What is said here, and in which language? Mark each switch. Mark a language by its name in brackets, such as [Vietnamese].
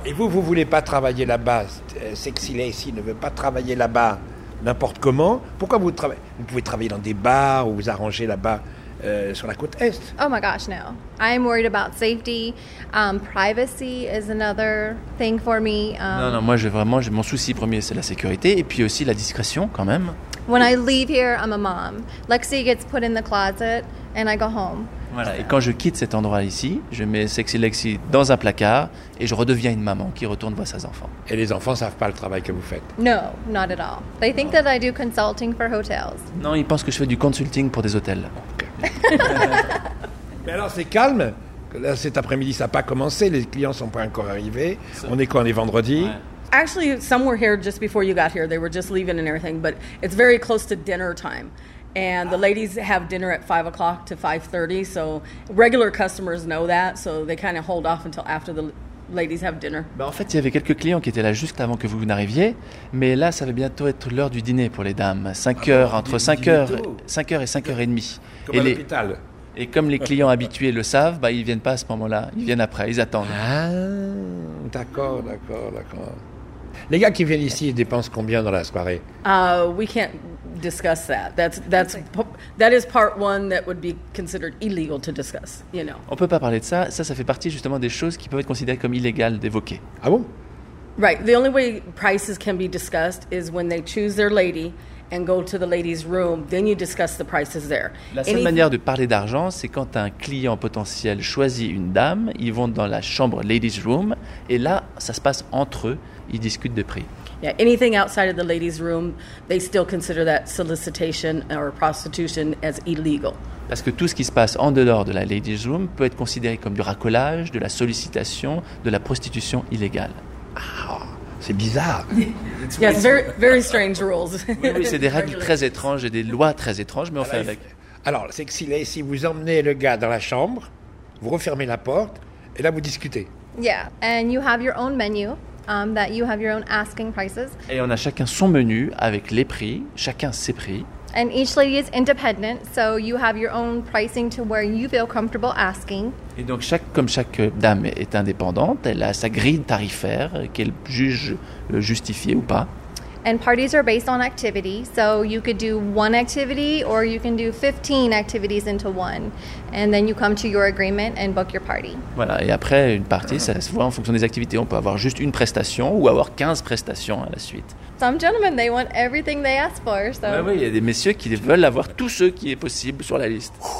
[French] Et vous, vous voulez pas travailler là-bas? Sexy Lacey ne veut pas travailler là-bas n'importe comment. Pourquoi vous travaillez? Vous pouvez travailler dans des bars ou vous arranger là-bas. Sur la côte Est. [English] Oh my gosh, no. I am worried about safety. Privacy is another thing for me. [French] Non, moi, j'ai mon souci premier, c'est la sécurité et puis aussi la discrétion quand même. [English] When I leave here, I'm a mom. Lexi gets put in the closet and I go home. [French] Voilà, et quand je quitte cet endroit ici, je mets Sexy Lexi dans un placard et je redeviens une maman qui retourne voir ses enfants. Et les enfants ne savent pas le travail que vous faites? [English] No, not at all. They think that I do consulting for hotels. [French] Non, ils pensent que je fais du consulting pour des hôtels. Mais alors c'est calme. Là, cet après-midi ça n'a pas commencé, les clients ne sont pas encore arrivés. On est quoi, on est vendredi? Ouais. [English] Actually, some were here just before you got here. They were just leaving and everything, but it's very close to dinner time. And the ladies have dinner at 5 o'clock to 5:30, so regular customers know that, so they kind of hold off until after the ladies have dinner. [French] Bah, en fait, il y avait quelques clients qui étaient là juste avant que vous n'arriviez, mais là, ça va bientôt être l'heure du dîner pour les dames. 5 heures, entre 5 heures et 5 heures et demie. Comme à l'hôpital. Et comme les clients habitués le savent, bah, ils ne viennent pas à ce moment-là. Ils viennent après, ils attendent. Ah, d'accord. Les gars qui viennent ici dépensent combien dans la soirée? [English] We can't discuss that. That is part one that would be considered illegal to discuss, you know. [French] On peut pas parler de ça. Ça fait partie justement des choses qui peuvent être considérées comme illégales d'évoquer. Ah bon? [English] Right. The only way prices can be discussed is when they choose their lady and go to the lady's room. Then you discuss the prices there. [French] La seule manière de parler d'argent, c'est quand un client potentiel choisit une dame, ils vont dans la chambre ladies room et là, ça se passe entre eux. Ils discutent de prix. [English] Yeah, anything outside of the ladies' room, they still consider that solicitation or prostitution as illegal. [French] Parce que tout ce qui se passe en dehors de la ladies' room peut être considéré comme du racolage, de la sollicitation, de la prostitution illégale. Oh, c'est bizarre. [English] Yes, very, very strange rules. [French] Oui, c'est des règles très étranges et des lois très étranges, mais on fait avec. Alors, c'est que si vous emmenez le gars dans la chambre, vous refermez la porte et là vous discutez. [English] Yeah, and you have your own menu. That you have your own asking prices. [French] Et on a chacun son menu avec les prix, chacun ses prix. [English] And each lady is independent, so you have your own pricing to where you feel comfortable asking. [French] Et donc comme chaque dame est indépendante, elle a sa grille tarifaire qu'elle juge justifiée ou pas. [English] And parties are based on activity, so you could do one activity or you can do 15 activities into one. And then you come to your agreement and book your party. [French] Voilà, et après une partie, ça se voit en fonction des activités. On peut avoir juste une prestation ou avoir 15 prestations à la suite. [English] Some gentlemen, they want everything they ask for. So. [French] Ouais, oui, il y a des messieurs qui veulent avoir tout ce qui est possible sur la liste.